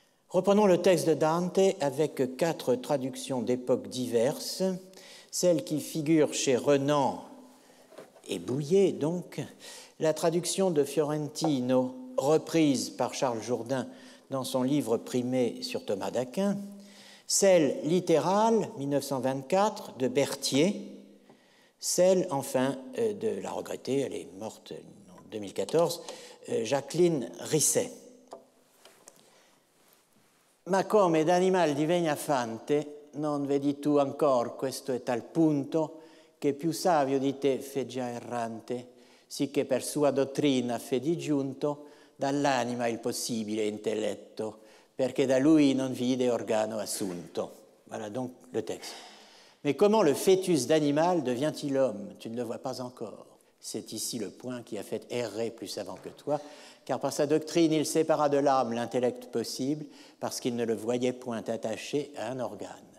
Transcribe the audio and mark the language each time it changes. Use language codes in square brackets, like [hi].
[fr] Reprenons le texte de Dante avec quatre traductions d'époques diverses, celle qui figure chez Renan et Bouyer, donc, la traduction de Fiorentino, reprise par Charles Jourdain dans son livre primé sur Thomas d'Aquin, celle littérale, 1924, de Berthier, celle, enfin, de la regrettée, elle est morte en 2014, Jacqueline Risset. [it] Ma come d'animal divenia fante, non vedi tu ancora questo è tal punto, che più savio di te fe già errante, sicché per sua dottrina fe digiunto, dall'anima il possibile intelletto, perché da lui non vide organo assunto. [fr] Voilà donc le texte. Mais comment le fœtus d'animal devient-il homme? Tu ne le vois pas encore. C'est ici le point qui a fait errer plus savant que toi, car par sa doctrine, il sépara de l'âme l'intellect possible, parce qu'il ne le voyait point attaché à un organe.